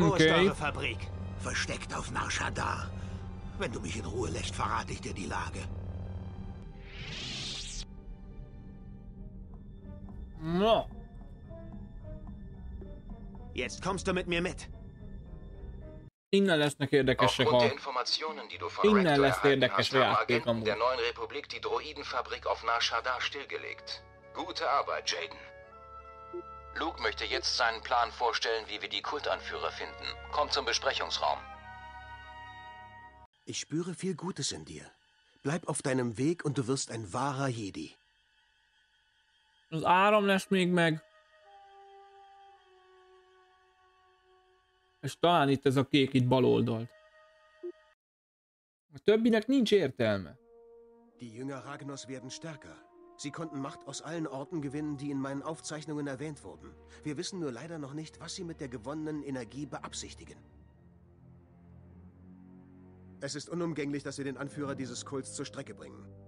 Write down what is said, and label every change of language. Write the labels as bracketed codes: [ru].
[de] Wo ist eure Fabrik? Versteckt auf Nar Shaddaa. Wenn du mich in Ruhe lässt, verrate ich dir die Lage. [en] No. [de] Jetzt kommst du mit mir mit. [hu] Innen lesznek érdekesek a... Innen lesz érdekes a játék amúgy. [de] ...der neuen Republik die Droidenfabrik auf Nar Shaddaa stillgelegt. Gute Arbeit, Jaden. Luke möchte jetzt seinen Plan vorstellen, wie wir die Kultanführer finden. Komm zum Besprechungsraum. Ich spüre viel Gutes in dir. Bleib auf deinem Weg und du wirst ein wahrer Jedi. Das Aram lässt mich weg. [hu] Es ist talán itt ez a kék itt bal oldalt. A többinek nincs értelme. [de] Die Jünger Ragnos werden stärker. Sie konnten Macht aus allen Orten gewinnen, die in meinen Aufzeichnungen erwähnt wurden. Wir wissen nur leider noch nicht, was sie mit der gewonnenen Energie beabsichtigen. Es ist unumgänglich, dass wir den Anführer dieses Kults zur Strecke bringen.